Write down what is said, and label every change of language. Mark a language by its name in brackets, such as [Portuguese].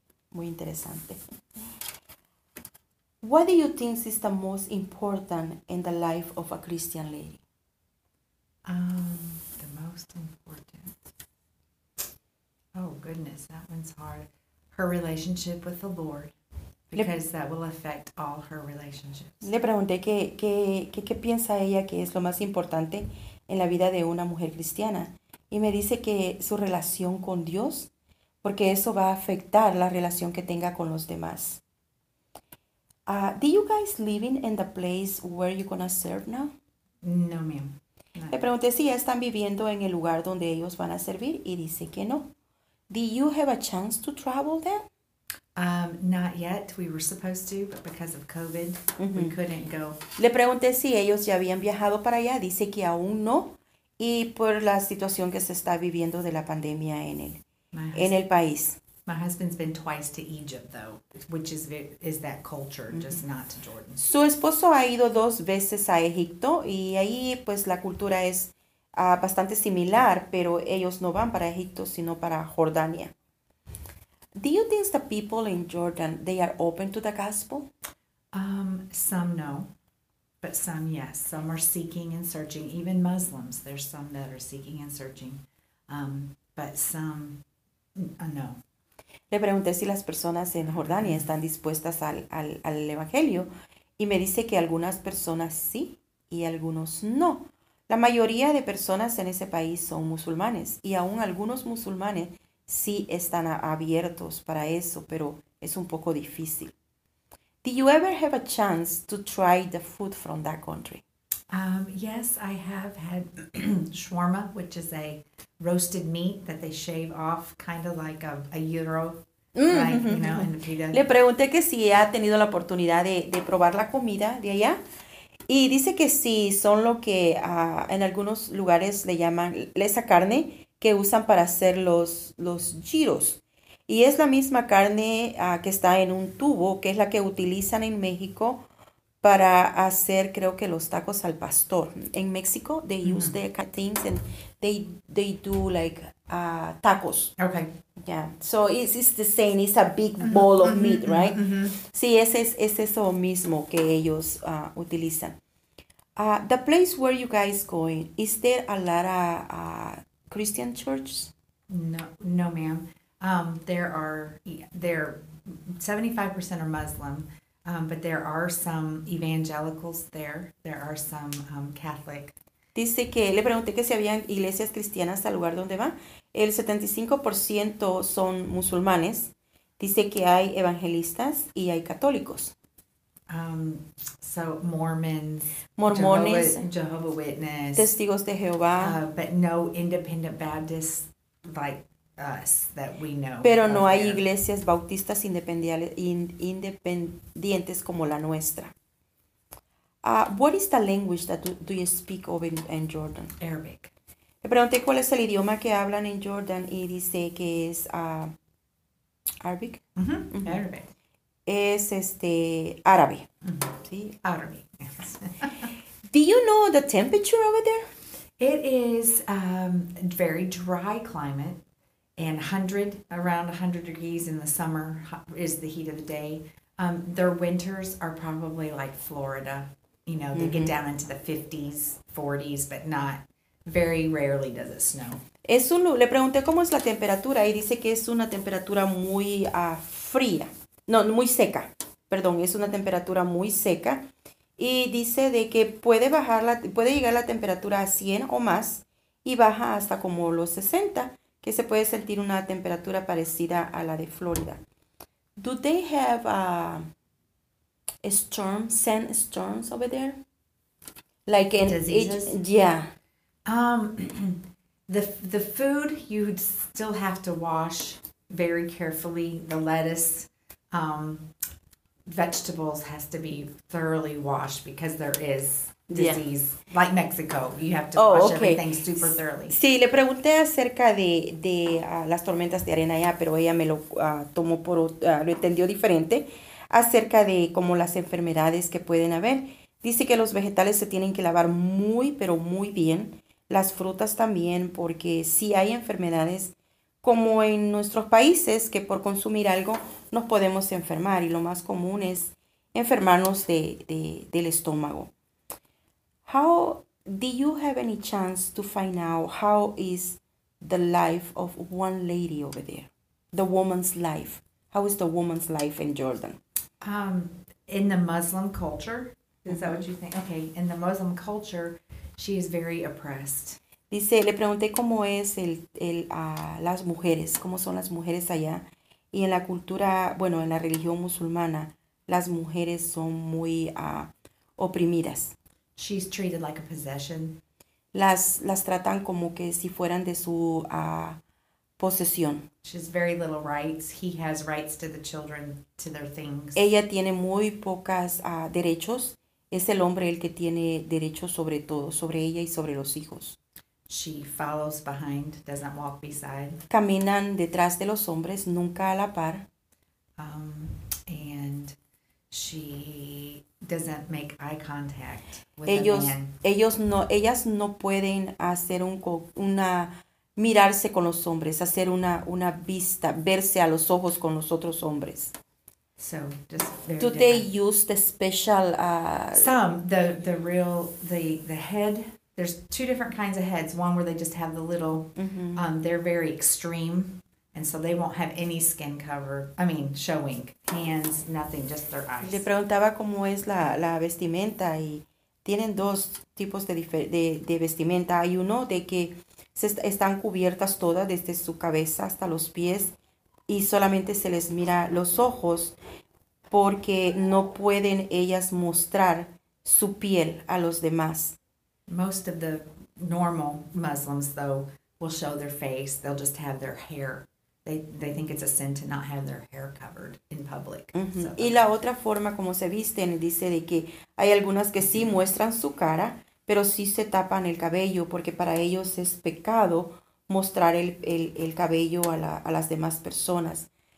[Spanish] Muy interesante. [English] What do you think is the most important in the life of a Christian lady? The most important. Oh, goodness, that one's hard. Her relationship with the Lord. Because that will affect all her relationships. [Spanish] Le pregunté qué piensa ella que es lo más importante en la vida de una mujer cristiana. Y me dice que su relación con Dios, porque eso va a afectar la relación que tenga con los demás. [English] Do you guys living in the place where you're gonna serve now? No, ma'am. [Spanish] Le pregunté si ya están viviendo en el lugar donde ellos van a servir y dice que no. [English] Do you have a chance to travel then? Not yet. We were supposed to, but because of COVID, we couldn't go. [Spanish] Le pregunté si ellos ya habían viajado para allá. Dice que aún no. Y por la situación que se está viviendo de la pandemia en el país. [English] My husband's been twice to Egypt, though, which is that culture, just not to Jordan. [Spanish] Su esposo ha ido dos veces a Egipto y ahí, pues, la cultura es bastante similar, pero ellos no van para Egipto, sino para Jordania. [English] Do you think the people in Jordan, they are open to the gospel? Some no, but some yes. Some are seeking and searching, even Muslims. There's some that are seeking and searching, but some no. [Spanish] Le pregunté si las personas en Jordania están dispuestas al evangelio y me dice que algunas personas sí y algunos no. La mayoría de personas en ese país son musulmanes y aún algunos musulmanes sí están abiertos para eso, pero es un poco difícil. [English] Do you ever have a chance to try the food from that country? Yes, I have had shawarma, which is a roasted meat that they shave off, kind of like a gyro, [Spanish] Le pregunté que si ha tenido la oportunidad de probar la comida de allá. Y dice que sí, son lo que en algunos lugares le llaman esa carne que usan para hacer los gyros. Y es la misma carne que está en un tubo, que es la que utilizan en México para hacer, creo que los tacos al pastor. En México, [English] they use the catings and they do like tacos. Okay. Yeah. So it's the same. It's a big bowl of meat, right? [Spanish] Sí, es eso mismo que ellos utilizan. [English] The place where you guys going, is there a lot of Christian churches? No, ma'am. There are 75% are Muslim. But there are some evangelicals there. There are some Catholic. [Spanish] Dice que, le pregunté que si habían iglesias cristianas al lugar donde va. El 75% son musulmanes. Dice que hay evangelistas y hay católicos. [English] So Mormons, [Spanish] Mormones, [English] Jehovah Witness, [Spanish] testigos de Jehová. [English] But no independent Baptists like us that we know. [Spanish] Pero no hay iglesias bautistas independientes como la nuestra. [English] What is the language that do you speak over in Jordan? Arabic. [Spanish] Le pregunté cuál es el idioma que hablan en Jordan y dice que es Arabic. [English] Arabic. [Spanish] Es árabe. Sí, árabe. [English] Do you know the temperature over there? It is very dry climate. And 100, around 100 degrees in the summer is the heat of the day. Their winters are probably like Florida. You know, they get down into the 50s, 40s, but not, very rarely does it snow. [Spanish] Es un, le pregunté cómo es la temperatura y dice que es una temperatura muy fría. No, muy seca. Perdón, es una temperatura muy seca. Y dice de que puede bajar, puede llegar la temperatura a 100 o más y baja hasta como los 60. Que se puede sentir una temperatura parecida a la de Florida. [English] Do they have a storm, sand storms over there? Like in diseases? The food, you'd still have to wash very carefully. The lettuce, vegetables has to be thoroughly washed because there is disease, like Mexico, you have to wash everything super thoroughly. [Spanish] Sí, le pregunté acerca de las tormentas de arena allá, pero ella me lo tomó por lo entendió diferente acerca de cómo las enfermedades que pueden haber. Dice que los vegetales se tienen que lavar muy, pero muy bien. Las frutas también, porque sí hay enfermedades como en nuestros países que por consumir algo nos podemos enfermar y lo más común es enfermarnos del estómago. [English] How do you have any chance to find out how is the life of one lady over there? The woman's life. How is the woman's life in Jordan? In the Muslim culture, is that what you think? Okay, in the Muslim culture, she is very oppressed. [Spanish] Dice, le pregunté cómo es las mujeres, cómo son las mujeres allá. Y en la cultura, bueno, en la religión musulmana, las mujeres son muy oprimidas. [English] She's treated like a possession. [Spanish] las tratan como que si fueran de su posesión. [English] She has very little rights. He has rights to the children, to their things. [Spanish] Ella tiene muy pocas derechos. Es el hombre el que tiene derechos sobre todo, sobre ella y sobre los hijos. [English] She follows behind, doesn't walk beside. [Spanish] Caminan detrás de los hombres, nunca a la par. [English] And she doesn't make eye contact with a [Spanish] Ellos [English] man. [Spanish] no ellas no pueden hacer una mirarse con los hombres, hacer una vista, verse a los ojos con los otros hombres. [English] So, just very Do they different. use the special Some, the head, there's two different kinds of heads. One where they just have the little, they're very extreme, and so they won't have any skin cover, I mean, showing, hands, nothing, just their [Spanish] Le [English] eyes. [Spanish] preguntaba cómo es la vestimenta y tienen dos tipos de vestimenta. Hay uno de que están cubiertas todas desde su cabeza hasta los pies y solamente se les mira los ojos porque no pueden ellas mostrar su piel a los demás. [English] Most of the normal Muslims, though, will show their face. They'll just have their hair. They think it's a sin to not have their hair covered in public. So [Spanish] Y [English] they'll. [Spanish] la otra forma como se visten, dice de que hay algunas que sí muestran su cara, pero sí se tapan el cabello, porque para ellos es pecado mostrar el cabello a las demás personas.